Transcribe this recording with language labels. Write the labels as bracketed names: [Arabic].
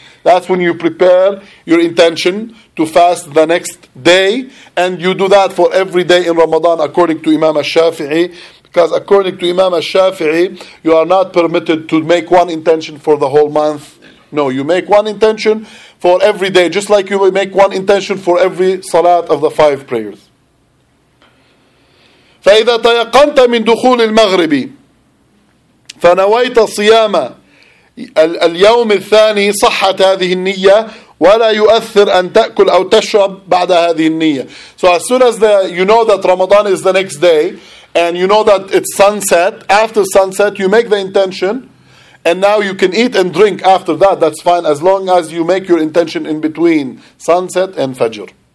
[English] That's when you prepare your intention to fast the next day, and you do that for every day in Ramadan according to Imam al-Shafi'i, because according to Imam al-Shafi'i, you are not permitted to make one intention for the whole month. No, you make one intention for every day, just like you make one intention for every salat of the five prayers. [Arabic] فإذا تيقنت من دخول المغرب فنويت صيام اليوم الثاني صحت هذه النية ولا يؤثر أن تأكل أو تشرب بعد هذه النية. [English] So as soon as you know that Ramadan is the next day and you know that it's sunset, after sunset you make the intention. And now you can eat and drink after that. That's fine as long as you make your intention in between sunset and Fajr.